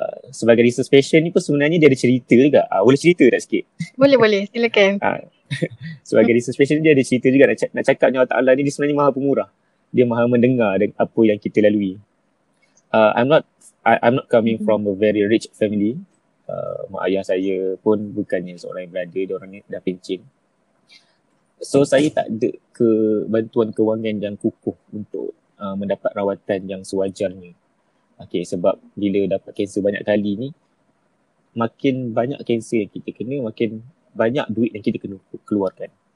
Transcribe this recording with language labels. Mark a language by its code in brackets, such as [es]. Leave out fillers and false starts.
[ms] Sebagai research patient ni pun sebenarnya dia ada cerita juga. Boleh cerita tak sikit? Boleh, silakan. Sebagai research patient ni dia ada cerita juga. Nak cakap ni Allah Ta'ala ni, dia sebenarnya maha pemurah. Dia maha mendengar dengan apa yang kita lalui. [en] I'm not coming from a very rich family. [ms] Mak ayah saya pun bukannya seorang yang berada, dia orang ni dah pencin. So saya tak ada ke bantuan kewangan yang kukuh untuk mendapat rawatan yang sewajarnya. Okay, sebab bila dapat kanser banyak kali ni, makin banyak kanser yang kita kena, makin banyak duit yang kita kena keluarkan.